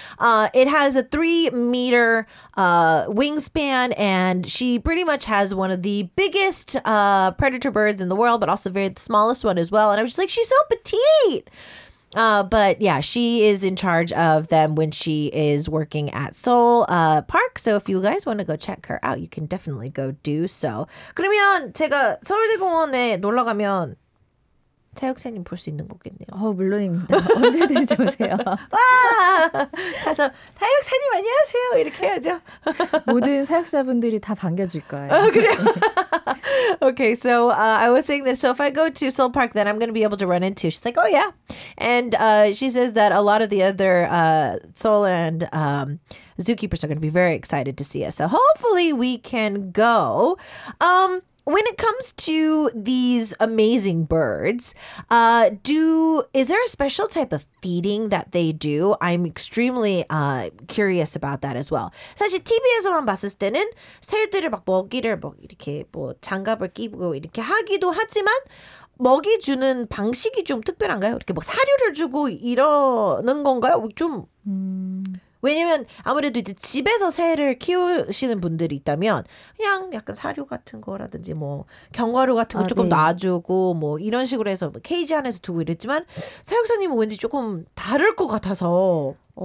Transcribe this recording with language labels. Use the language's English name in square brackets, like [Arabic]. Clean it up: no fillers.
[English] It has a 3-meter wingspan, and she pretty much has one of the biggest predator birds in the world, but also very the smallest one as well. And I was just like, she's so petite. But yeah, she is in charge of them when she is working at Seoul Park. So if you guys want to go check her out, you can definitely go do so. [Korean] 그러면 제가 서울대공원에 놀러 가면 사육사님 볼 수 있는 거겠네요. 어, 물론입니다. 언제든지 오세요. 와! 가서 사육사님 안녕하세요. 이렇게 해야죠. 모든 사육사분들이 다 반겨줄 거예요. 어, 그래요? [English] Okay, so I was saying that. So if I go to Seoul Park, then I'm going to be able to run into. She's like, oh, yeah. And she says that a lot of the other Seoul and zookeepers are going to be very excited to see us. So hopefully we can go. When it comes to these amazing birds, is there a special type of feeding that they do? I'm extremely curious about that as well. [Korean] 사실 TV에서만 봤을 때는 새들을 막 먹이를 뭐 이렇게 뭐 장갑을 끼고 이렇게 하기도 하지만 먹이 주는 방식이 좀 특별한가요? 이렇게 뭐 사료를 주고 이러는 건가요? 좀 왜냐면 아무래도 이제 집에서 새를 키우시는 분들이 있다면 그냥 약간 사료 같은 거라든지 뭐 견과류 같은 거 조금 놔주고 뭐 이런 식으로 해서 뭐 케이지 안에서 두고 이랬지만 사육사님은 왠지 조금 다를 것 같아서